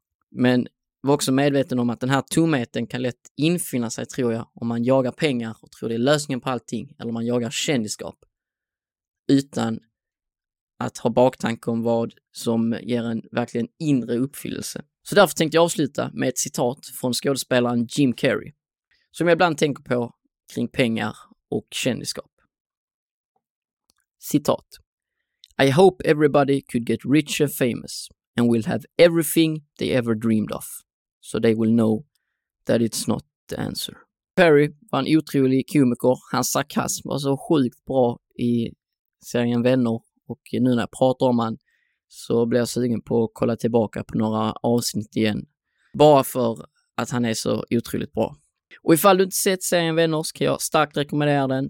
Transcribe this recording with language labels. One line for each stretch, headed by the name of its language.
Swedish: Men var också medveten om att den här tomheten kan lätt infinna sig, tror jag, om man jagar pengar och tror det är lösningen på allting, eller om man jagar kändisskap. utan att ha baktanke om vad som ger en verkligen inre uppfyllelse. Så därför tänkte jag avsluta med ett citat från skådespelaren Jim Carrey, som jag ibland tänker på kring pengar och kändisskap.
English: Citat: I hope everybody could get rich and famous and will have everything they ever dreamed of, so they will know that it's not the answer.
Swedish: Perry var en otrolig komiker. Hans sarkasm var så sjukt bra i serien Vänner. Och nu när jag pratar om han så blir jag sugen på att kolla tillbaka på några avsnitt igen. Bara för att han är så otroligt bra. Och ifall du inte sett serien Vänner så kan jag starkt rekommendera den.